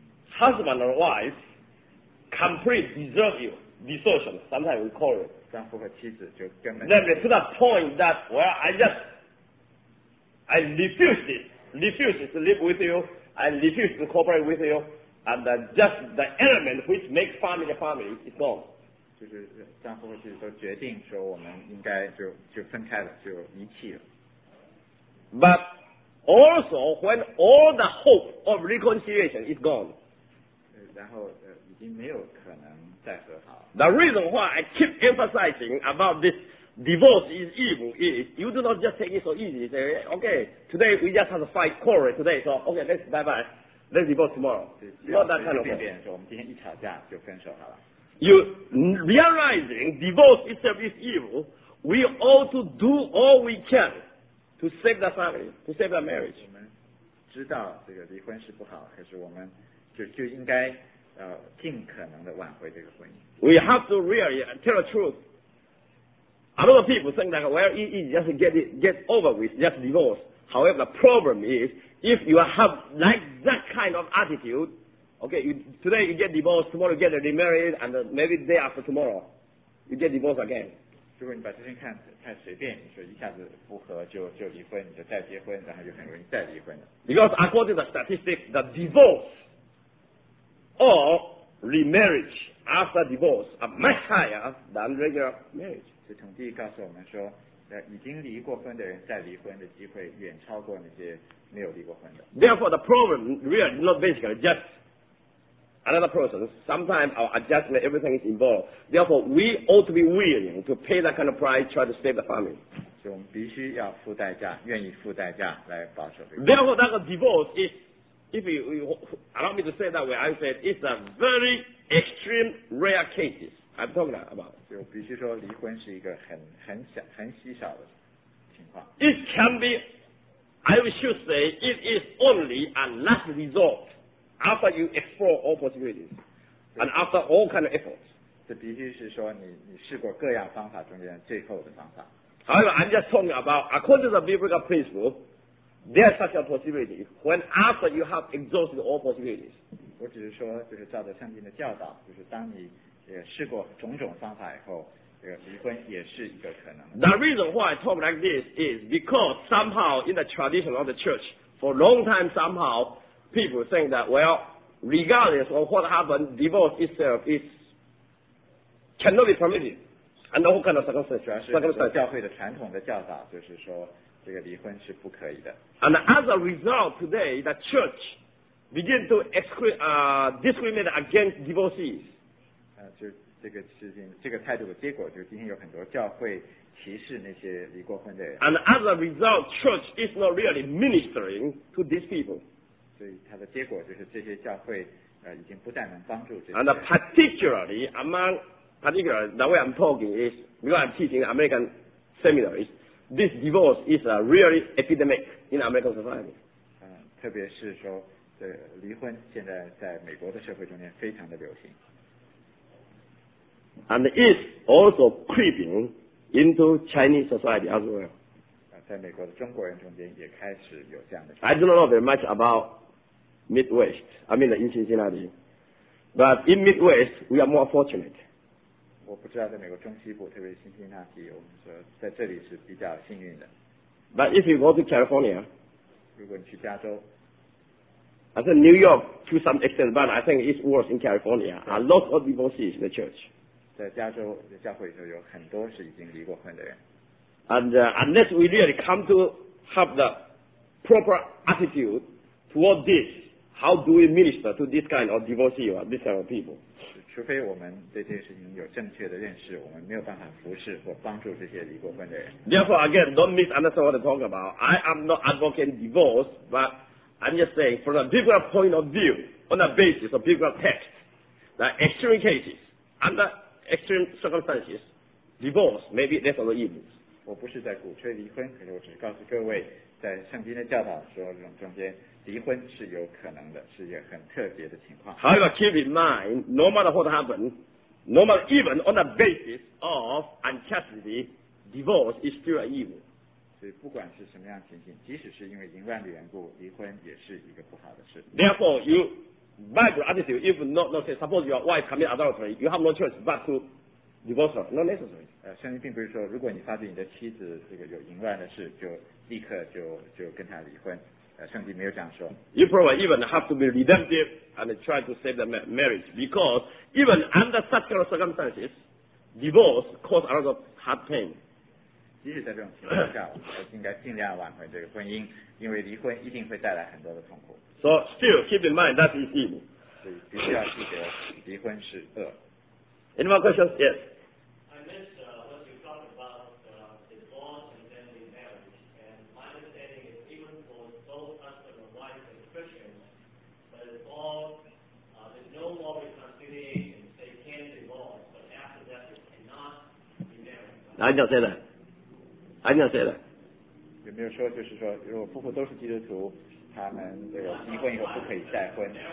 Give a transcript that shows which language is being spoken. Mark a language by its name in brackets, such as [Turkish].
[English] husband or wife completely desert you, desertion, sometimes we call it. [Chinese] 丈夫和妻子就根本 [English] Then they put a point that, well, I refuse to live with you, I refuse to cooperate with you,And just the element which makes family a family is gone. [Chinese] 就是丈夫或妻子都决定说我们应该就分开了，就离弃了。 [English] But also when all the hope of reconciliation is gone. [Chinese] 然后已经没有可能再和好。 [English] The reason why I keep emphasizing about this divorce is evil is you do not just take it so easy. Say, okay, today we just have a fight, quarrel today. So, okay, let's bye bye. Let's divorce tomorrow. Not that kind of thing. [Chinese] 便说我们今天一吵架就分手好了。 [English] You realizing divorce itself is evil, we ought to do all we can to save the family, to save the marriage. [Chinese] 我们知道这个离婚是不好，可是我们就应该尽可能的挽回这个婚姻。 [English] We have to really tell the truth. A lot of people think that well, easy, just get over with, just divorce. However, the problem is. If you have like that kind of attitude, okay, today you get divorced, tomorrow you get remarried, and maybe the day after tomorrow, you get divorced again. [Chinese] 如果你把这些看太随便，你说一下子不和就离婚，你就再结婚，然后就很容易再离婚了。 [English] Because according to the statistics, the divorce or remarriage after divorce are much higher than regular marriage. [Chinese] 这统计告诉我们说。已经离过婚的人再离婚的机会远超过那些没有离过婚的。 [English] Therefore, the problem really not basically just another person. Sometimes our adjustment, everything is involved. Therefore, we ought to be willing to pay that kind of price, try to save the family. [Chinese] 所以我们必须要付代价，愿意付代价来保守这个。 [English] Therefore, that divorce is if you allow me to say it that way, I said it's a very extreme rare case. I'm talking about. [Chinese] 就必须说离婚是一个很稀少的情况。 [English] It can be, I should say, it is only a last resort after you explore all possibilities and after all kind of efforts. [Chinese] 这必须是说你试过各样方法中间最后的方法。 [English] However, I'm just talking about, according to the biblical principle, there is such a possibility when after you have exhausted all possibilities. [Chinese] 我只是说就是照着圣经的教导，就是当你也试过种种方法以后，这个离婚也是一个可能。 [English] The reason why I talk like this is because somehow in the tradition of the church, for a long time somehow, people think that, well, regardless of what happened, divorce itself is, cannot be permitted. And the whole kind of circumstances. [Chinese] 教会的传统的教导就是说这个离婚是不可以的。 [English] And as a result today, the church begin to discriminate against divorcees. [Chinese] 就这个事情，这个态度的结果，就是今天有很多教会歧视那些离过婚的人。 [English] And as a result, church is not really ministering to these people. [Chinese] 所以它的结果就是这些教会已经不但能帮助这些。 [English] And particularly among particular the way I'm talking is because I'm teaching American seminaries, this divorce is a really epidemic in American society. [Chinese] 特别是说，这离婚现在在美国的社会中间非常的流行。 [English] And is also creeping into Chinese society as well. [Chinese] 在美国的中国人中间也开始有这样的。 [English] I do not know very much about Midwest. I mean, in Cincinnati. But in Midwest, we are more fortunate. [Chinese] 我不知道在美国中西部，特别是新那地，我们说在这里是比较幸运的。 [English] But if you go to California, [Chinese] 如果你去加州。 [English] I think New York to some extent, but I think it's worse in California. A lot of divorces in the church. [Chinese] 在加州教会就有很多是已经离过婚的人。 [English] And unless we really come to have the proper attitude toward this, how do we minister to this kind of divorcee or this kind of people? [Chinese] 除非我们对这些事情有正确的认识，我们没有办法服侍或帮助这些离过婚的人。 [English] Therefore, again, don't misunderstand what I'm talking about. I am not advocating divorce, but I'm just saying from a biblical point of view, on the basis of biblical text, the extreme cases, under extreme circumstances, divorce may be less of the evils. [Chinese] 我不是在鼓吹离婚，可是我只是告诉各位，在圣经的教导说这种中间，离婚是有可能的，是一个很特别的情况。 [English] However, keep in mind, no matter what happens, no matter even on the basis of unchastity, divorce is still an evil. [Chinese] 所以不管是什么样情形，即使是因为淫乱的缘故，离婚也是一个不好的事。 [English] Therefore, you. By good attitude, if not say, suppose your wife commits adultery, you have no choice but to divorce her. Not necessary. [Chinese] 圣经并不是说，如果你发觉你的妻子这个有淫乱的事，就立刻就跟她离婚。圣经没有这样说。 [English] You probably even have to be redemptive and try to save the marriage because even under such kind of circumstances, divorce causes a lot of heart pain. [Chinese] 即使在这种情况下，我们应该尽量挽回这个婚姻，因为离婚一定会带来很多的痛苦。 [English] So still keep in mind that is evil. [Chinese] 必须要记得离婚是恶。 [English] Any more questions? Yes. I missed what you talked about divorce and then remarriage. And my understanding is even for both husband and wife and Christians, but it's all, there's no law reconciliation. They can divorce, but after that they cannot remarry. I didn't say that. I didn't say that. [Chinese] 有没有说就是说如果夫妇都是基督徒他们这个离婚以后不可以再婚。